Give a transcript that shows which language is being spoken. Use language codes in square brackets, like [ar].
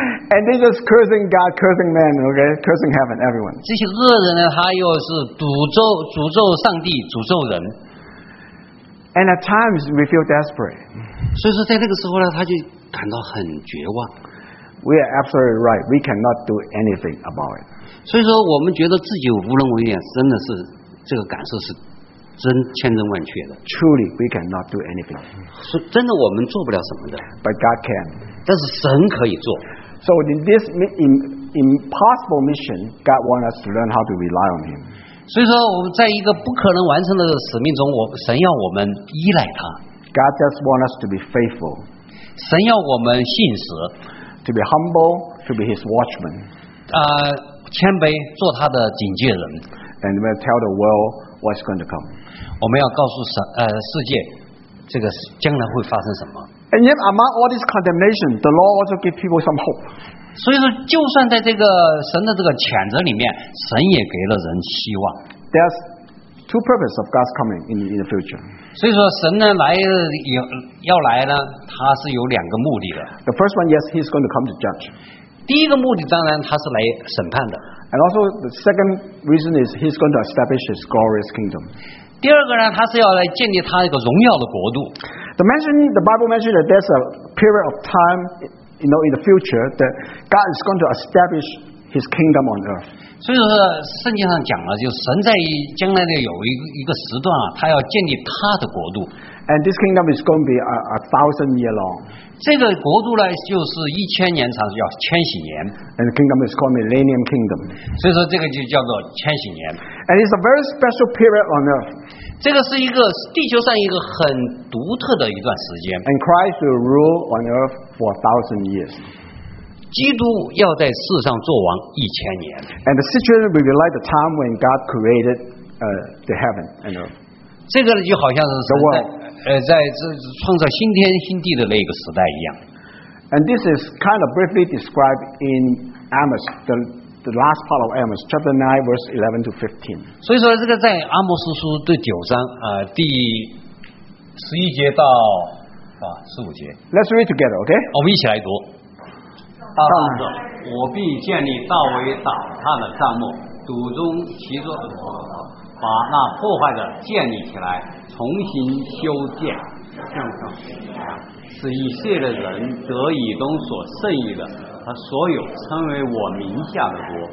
[en] And they just cursing God, cursing man, okay, cursing heaven, everyone. [zh] 这些恶人呢，他又是诅咒上帝，诅咒人。 [en] And at times we feel desperate. [zh] 所以说，在那个时候呢，他就感到很绝望。 [en] We are absolutely right. We cannot do anything about it. [zh] 所以说，我们觉得自己无能为力，真的是这个感受是。真千真万确的 [en] ，Truly we cannot do anything， [zh] 是真的我们做不了什么的 [en] ，But God can， [zh] 但是神可以做。 [en] So in this impossible mission， God wants us to learn how to rely on Him。 [zh] 所以说我们在一个不可能完成的使命中，神要我们依赖他。 [en] God just wants us to be faithful， [zh] 神要我们信实 [en] ，to be humble， to be His watchman， [zh] 谦卑做他的警戒人 [en] ，and we tell the world。 What's going to come? [zh] 我们要告诉世界，这个将来会发生什么。 [en] And yet, among all this condemnation, the law also gives people some hope. [zh] 所以说，就算在这个神的这个谴责里面，神也给了人希望。 [en] There's two purposes of God's coming in the future. [zh] 所以说神呢来要来呢，他是有两个目的的。 [en] The first one, yes, he's going to come to judge. [zh] 第一个目的当然他是来审判的。 [en] And also the second reason is he's going to establish his glorious kingdom. [zh] 第二个呢，他是要来建立他一个荣耀的国度。 [en] The Bible mentions that there's a period of time, you know, in the future that God is going to establish his kingdom on earth. [zh] 所以说圣经上讲了，就神在将来的有一个时段啊，他要建立他的国度。 [en] And this kingdom is going to be a thousand year long. [zh] 这个国度呢，就是一千年长，叫千禧年。 [en] And the kingdom is called Millennium Kingdom. [zh] 所以说这个就叫做千禧年。 [en] And it's a very special period on earth. [zh] 这个是一个地球上一个很独特的一段时间。 [en] And Christ will rule on earth for a thousand years. [zh] 基督要在世上作王一千年。 [en] And the situation will be like the time when God created the heaven and earth. [zh] 这个就好像是神在在这创造新天新地的那个时代一样。 [en] And this is kind of briefly described in Amos, the last part of Amos, chapter 9, verse 11 to 15. [zh] 所以说这个在阿摩斯书第九章第十一节到十五节。 [en] Let's read together, okay? [zh] 我们一起来读。大帐子，我必建立大为倒塌的帐幕，堵中其座，把那破坏的建立起来，重新修建，使以色列人得以东所剩余的和所有称为我名下的国。